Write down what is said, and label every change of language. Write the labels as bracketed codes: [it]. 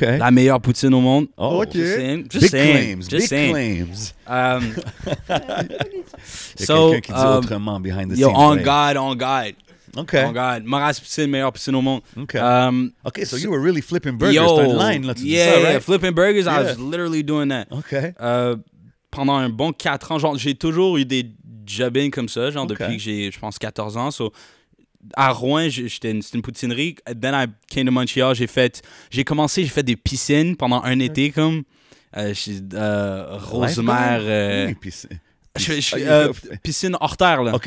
[fr] La meilleure poutine au monde. [en] Oh, OK. Just saying. [fr] So, quelqu'un qui dit autrement [en] behind the scenes. Yo, on God. OK. [fr] On God. Maurice Poutine, meilleure poutine au monde. [en] OK. OK, so you were really flipping burgers. [fr] Yo, t'as une line, là, tu dis ça, right? [en] Yeah, flipping burgers, yeah. I was literally doing that. OK. [fr] Pendant un bon 4 ans, genre, j'ai toujours eu des... jobbing comme ça, genre, okay, depuis que j'ai, je pense, 14 ans. So, à Rouyn, c'était une poutinerie. [en] Then I came to Montreal, [fr] j'ai fait des piscines pendant un été, comme. Rosemère. Piscine hors terre, là.